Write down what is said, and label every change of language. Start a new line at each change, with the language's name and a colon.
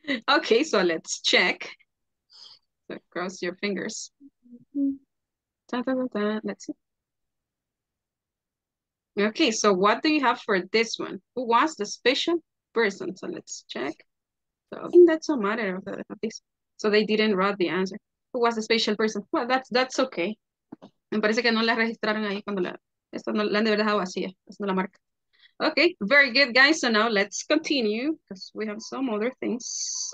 English: Okay, so let's check. So cross your fingers. Let's see. Okay, so what do you have for this one? Who was the special person? So let's check. So I think that's a matter of this. So they didn't write the answer. Who was the special person? Well, that's okay.
Spanish: Me parece que no la registraron ahí cuando la han de haber dejado vacía. Esa no la marca. Okay, very good, guys.
English: So now let's continue because we have some other things.